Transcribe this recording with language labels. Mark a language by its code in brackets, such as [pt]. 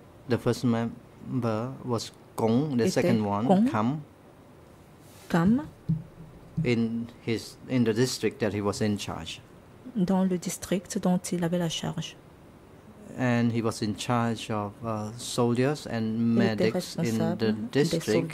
[en] the first member was Kong, the second one, Kong, Kam. Kam in the district that he was in charge. [fr] Dans le district dont il avait la charge. [en] And he was in charge of soldiers and medics in the district.